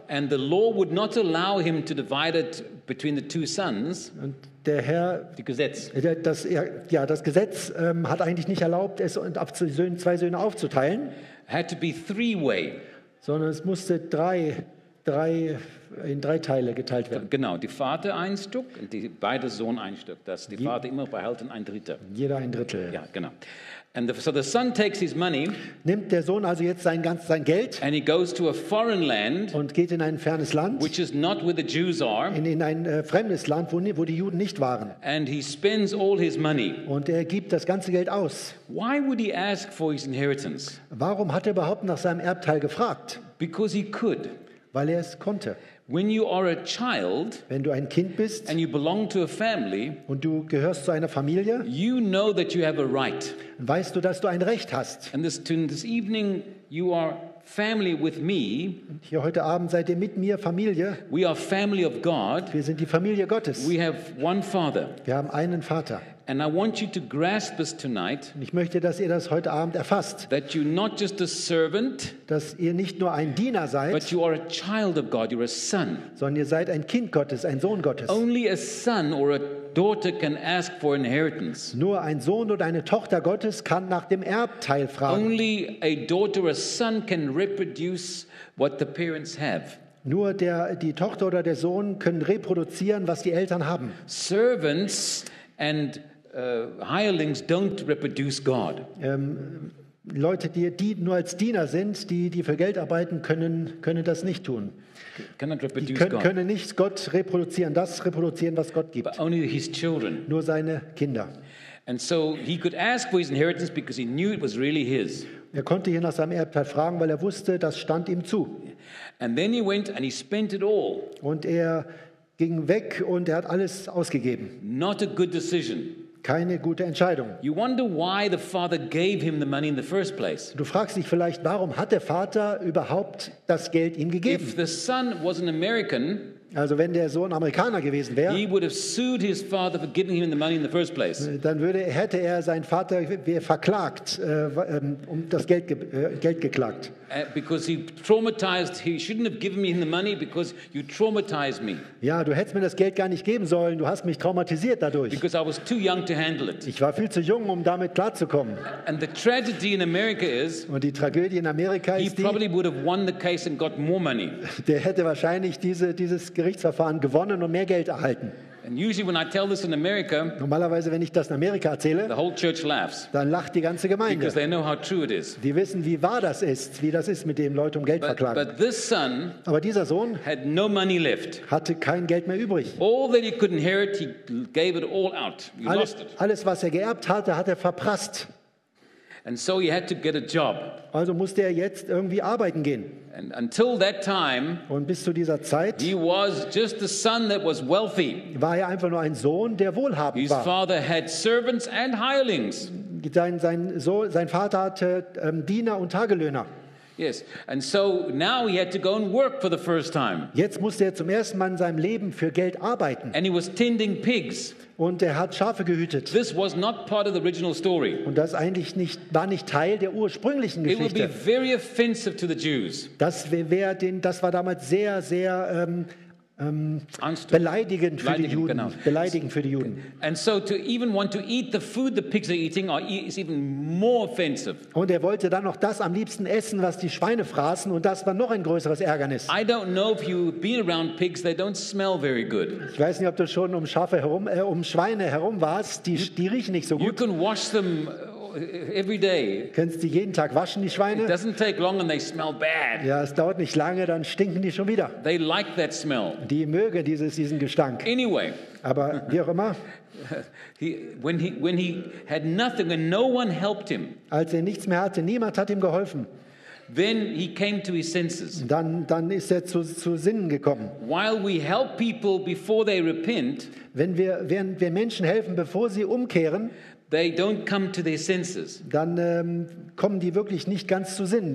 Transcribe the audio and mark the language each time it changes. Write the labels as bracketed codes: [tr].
[en] And the law would not allow him to divide it between the two sons. [de] Und der Herr, das Gesetz hat eigentlich nicht erlaubt, es auf zwei Söhne aufzuteilen. [en] Had to be three-way. [de] Sondern es musste in drei Teile geteilt werden. Genau, die Vater ein Stück und die beide Sohn ein Stück. Dass die Vater immer behält ein Drittel. Jeder ein Drittel. Ja, genau. [en] And so the son takes his money. [de] Nimmt der Sohn also jetzt sein Geld. [en] And he goes to a foreign land. [de] Und geht in ein fernes Land. [en] Which is not where the Jews are. [de] In ein fremdes Land, wo die Juden nicht waren. [en] And he spends all his money. [de] Und er gibt das ganze Geld aus. [en] Why would he ask for his inheritance? [de] Warum hat er überhaupt nach seinem Erbteil gefragt? [en] Because he could. [de] Weil er es konnte. [en] When you are a child, [de] wenn du ein Kind bist, [en] and you belong to a family, [de] und du gehörst zu einer Familie, [en] you know that you have a right. [de] Weißt du, dass du ein Recht hast. [en] And this evening you are family with me. [de] Hier heute Abend seid ihr mit mir Familie. [en] We are family of God. [de] Wir sind die Familie Gottes. [en] We have one Father. [de] Wir haben einen Vater. [en] And I want you to grasp this tonight. [de] Ich möchte, dass ihr das heute Abend erfasst. [en] That you not just a servant, [de] dass ihr nicht nur ein Diener seid, [en] but you are a child of God. You're a son. [de] Sondern ihr seid ein Kind Gottes, ein Sohn Gottes. [en] Only a son or a daughter can ask for inheritance. [de] Nur ein Sohn oder eine Tochter Gottes kann nach dem Erbteil fragen. [en] Only a daughter or a son can reproduce what the parents have. [de] Nur die Tochter oder der Sohn können reproduzieren, was die Eltern haben. [en] Servants and hirelings don't reproduce God. [de] Leute, die nur als Diener sind, die für Geld arbeiten, können das nicht tun. Können nicht Gott reproduzieren, das reproduzieren, was Gott gibt. [en] Only his children. [de] Nur seine Kinder. [en] And so he could ask for his inheritance because he knew it was really his. [de] Er konnte hier nach seinem Erbteil fragen, weil er wusste, das stand ihm zu. [en] And then he went and he spent it all. [de] Und er ging weg und er hat alles ausgegeben. [en] Not a good decision. [de] Keine gute Entscheidung. [en] You wonder why the father gave him the money in the first place. [de] Du fragst dich vielleicht, warum hat der Vater überhaupt das Geld ihm gegeben? [en] If the son was an American, [de] also wenn der Sohn Amerikaner gewesen wäre, [en] he would have sued his father for giving him the money in the first place. [de] Dann hätte er seinen Vater verklagt, um das Geld geklagt. [en] Because he traumatized, he shouldn't have given me the money because you traumatized me. [de] Ja, du hättest mir das Geld gar nicht geben sollen. Du hast mich traumatisiert dadurch. [en] Because I was too young to handle it. [de] Ich war viel zu jung, um damit klarzukommen. [en] And the tragedy in America is. [de] Und die Tragödie in Amerika ist die. [en] He probably would have won the case and got more money. [de] Der hätte wahrscheinlich dieses Gerichtsverfahren gewonnen und mehr Geld erhalten. [en] And usually when I tell this in America, [de] normalerweise wenn ich das in Amerika erzähle, [en] the whole church laughs. [de] Dann lacht die ganze Gemeinde. [en] Because they know how true it is. [de] Die wissen, wie wahr das ist, wie das ist mit dem Leute um Geld verklagen. [en] But this son, [de] aber dieser Sohn, [en] had no money left. [de] Hatte kein Geld mehr übrig. [en] All that he could inherit, he gave it all out. He lost it. [de] Alles was er geerbt hatte, hat er verprasst. [en] And so he had to get a job. [de] Also musste er jetzt irgendwie arbeiten gehen. [en] And until that time, [de] und bis zu dieser Zeit, [en] he was just the son that was wealthy. [de] War er einfach nur ein Sohn, der wohlhabend [en] his [de] war. [en] His father had servants and hirelings. [de] Sein Vater hatte Diener und Tagelöhner. [en] Yes, and so now he had to go and work for the first time. [de] Jetzt musste er zum ersten Mal in seinem Leben für Geld arbeiten. [en] And he was tending pigs. [de] Und er hat Schafe gehütet. [en] This was not part of the original story. [de] Und das eigentlich war nicht Teil der ursprünglichen Geschichte. [en] It would be very offensive to the Jews. [de] Das war damals sehr, sehr beleidigend für die Juden. Genau. Beleidigend für die Juden. [en] And so to even want to eat the food the pigs are eating is even more offensive. [de] Und er wollte dann noch das am liebsten essen, was die Schweine fraßen, und das war noch ein größeres Ärgernis. [en] I don't know if you've been around pigs, they don't smell very good. [de] Ich weiß nicht, ob du schon um Schweine herum warst, die riechen nicht so gut. [en] You can wash them every day. [de] Kannst du jeden Tag waschen, die Schweine? [en] It doesn't take long and they smell bad. [de] Ja, es dauert nicht lange, dann stinken die schon wieder. [en] They like that smell. [de] Die mögen diesen Gestank. [en] Anyway, [de] aber wie auch immer. [en] when he had nothing and no one helped him. [de] Als er nichts mehr hatte, niemand hat ihm geholfen. [en] Then he came to his senses. [de] Dann ist er zu Sinnen gekommen. [en] While we help people before they repent, [de] während wir Menschen helfen, bevor sie umkehren, [en] they don't come to their senses. [de] Dann kommen die wirklich nicht ganz zu Sinnen.